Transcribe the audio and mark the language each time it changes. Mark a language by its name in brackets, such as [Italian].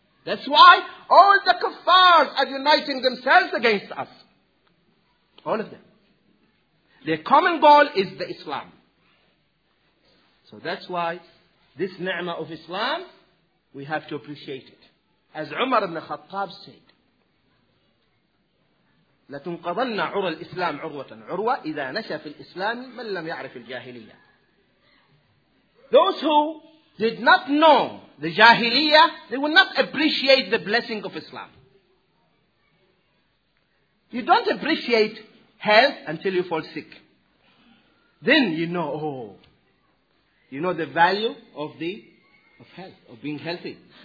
[English] That's why all the kuffars are uniting themselves against us. All of them. Their common goal is the Islam. So that's why this ni'mah of Islam, we have to appreciate it. As Umar ibn Khattab said, [Arabic] لَتُنْقَضَنَّ عُرَى الْإِسْلَامِ عُرْوَةً عُرْوَةً إِذَا نَشَى فِي الْإِسْلَامِ مَنْ لَمْ يَعْرِفِ الْجَاهِلِيَّةِ. [English] Those who did not know the jahiliyyah, they will not appreciate the blessing of Islam. You don't appreciate health until you fall sick. Then you know, oh, you know the value of the of health, of being healthy.